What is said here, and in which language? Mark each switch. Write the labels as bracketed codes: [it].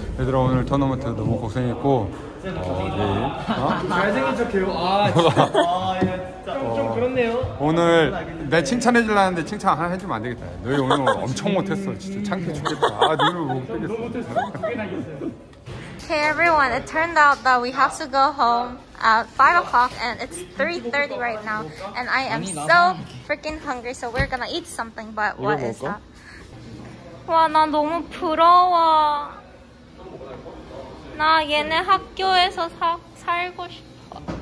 [ko] 얘들아 오늘 토너먼트 너무 고생했고 내일 잘생긴 척해요. 아 진짜 좀 그렇네요. 오늘 내 칭찬해주려는데 칭찬 하나 해주면 안 되겠다. 너희 오늘 엄청 못했어. 진짜 창피해 죽겠다. 아 눈을 못 뜨겠어. 너무 못했어. [en] 오케이 everyone, it turned out that we have to go home at 5 o'clock and it's 3:30 right now and I am so freaking hungry so we're gonna eat something but what is that? [ko] 와 나 너무 부러워. 나 얘네 학교에서 살고 싶어.